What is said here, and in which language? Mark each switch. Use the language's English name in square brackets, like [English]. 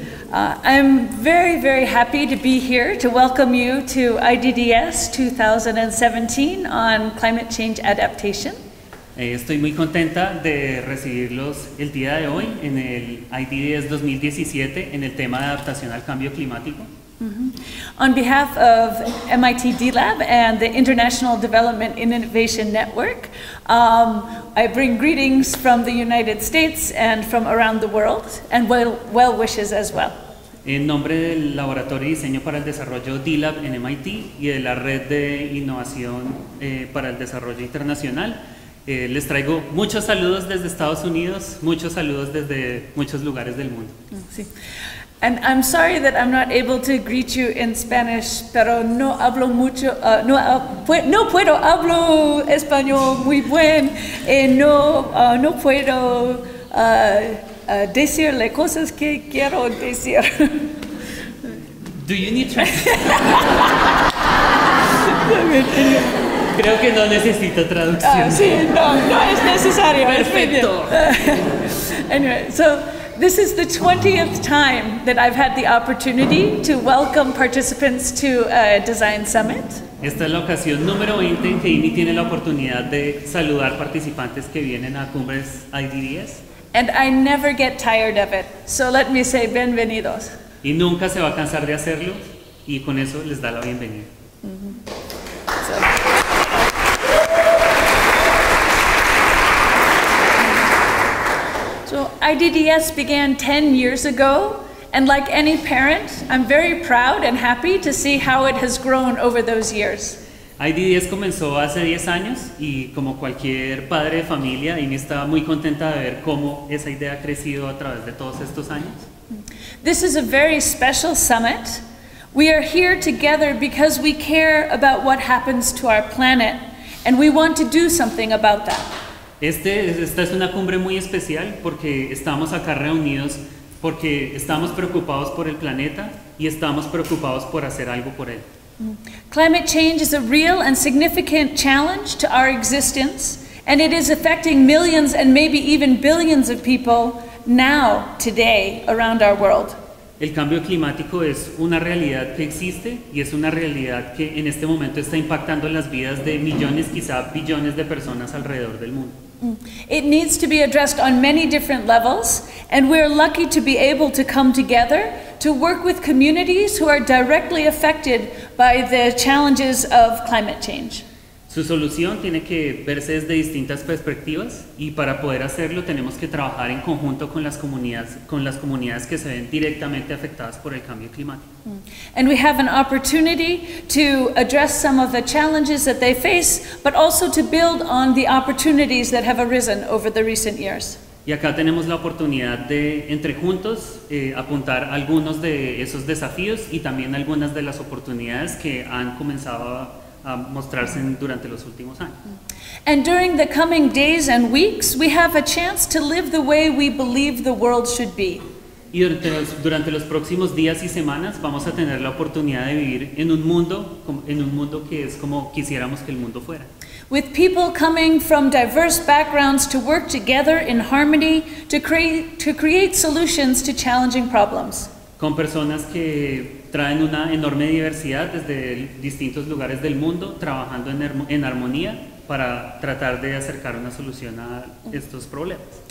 [English] I'm very, very happy to be here to welcome you to IDDS 2017 on climate change adaptation. [Spanish] Estoy muy contenta de recibirlos el día de hoy en el IDDS 2017 en el tema de adaptación al cambio climático. Mm-hmm. [English] On behalf of MIT D-Lab and the International Development and Innovation Network, I bring greetings from the United States and from around the world, and well wishes as well. [Spanish] En nombre del Laboratorio de Diseño para el Desarrollo D-Lab en MIT y de la Red de Innovación para el Desarrollo Internacional, les traigo muchos saludos desde Estados Unidos, muchos saludos desde muchos lugares del mundo. Sí. [English] And I'm sorry that I'm not able to greet you in Spanish, [Spanish] pero no hablo mucho, no puedo hablo español muy buen, no puedo decirle cosas que quiero decir. [English] Do you need translation? [Spanish] Creo que no necesito traducción. Sí, no es necesario. Perfecto. [English] Anyway, so. This is the 20th time that I've had the opportunity to welcome participants to a design summit. [Spanish] Esta es la ocasión número 20 en que IMI tiene la oportunidad de saludar participantes que vienen a cumbres IDDS. [English] And I never get tired of it. So let me say bienvenidos. [Spanish] Y nunca se va a cansar de hacerlo y con eso les da la bienvenida. [English] So IDDS began 10 years ago, and like any parent, I'm very proud and happy to see how it has grown over those years. [Spanish] IDDS comenzó hace 10 años, y como cualquier padre de familia, Amy estaba muy contenta de ver cómo esa idea ha crecido a través de todos estos años. [English] This is a very special summit. We are here together because we care about what happens to our planet, and we want to do something about that. [Spanish] Esta es una cumbre muy especial porque estamos acá reunidos porque estamos preocupados por el planeta y estamos preocupados por hacer algo por él. [English] Climate change is a real and significant challenge to our existence, and it is affecting millions and maybe even billions of people now, today, around our world. [Spanish] El cambio climático es una realidad que existe y es una realidad que en este momento está impactando las vidas de millones, quizá billones de personas alrededor del mundo. [English] It needs to be addressed on many different levels, and we're lucky to be able to come together to work with communities who are directly affected by the challenges of climate change. [Spanish] Su solución tiene que verse desde distintas perspectivas y para poder hacerlo tenemos que trabajar en conjunto con las comunidades que se ven directamente afectadas por el cambio climático. [English] And we have an opportunity to address some of the challenges that they face, but also to build on the opportunities that have arisen over the recent years. [Spanish] Y acá tenemos la oportunidad de, entre juntos, apuntar algunos de esos desafíos y también algunas de las oportunidades que han comenzado a mostrarse durante los últimos años. [English] And during the coming days and weeks, we have a chance to live the way we believe the world should be. [Spanish] Y durante los próximos días y semanas vamos a tener la oportunidad de vivir en un mundo que es como quisiéramos que el mundo fuera. [English] With people coming from diverse backgrounds to work together in harmony to create solutions to challenging problems. [Spanish] Con personas que traen una enorme diversidad desde distintos lugares del mundo, trabajando en armonía para tratar de acercar una solución a estos problemas.